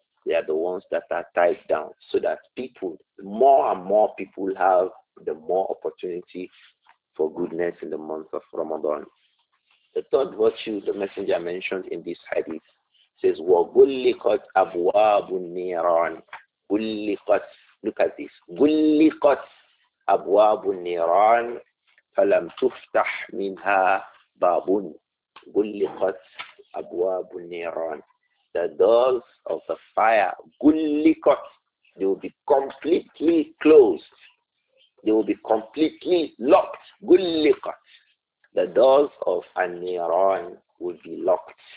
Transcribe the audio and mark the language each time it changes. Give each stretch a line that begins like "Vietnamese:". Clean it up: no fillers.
English: They are the ones that are tied down, so that people, more and more people have the more opportunity for goodness in the month of Ramadan. The third virtue the messenger mentioned in this hadith says,
Arabic: وَغُلِّقَتْ أَبْوَابُ النِّيرَانِ. غُلِّقَتْ,
English: look at this,
Arabic: غُلِّقَتْ أَبْوَابُ النِّيرَانِ فَلَمْ تُفْتَحْ مِنْهَا بَابٌ. غُلِّقَتْ أَبْوَابُ النِّيرَانِ,
English: the doors of the fire,
Arabic: غُلِّقَتْ,
English: they will be completely closed, they will be completely locked.
Arabic: غُلِّقَتْ,
English: the doors of An-Niran will be locked.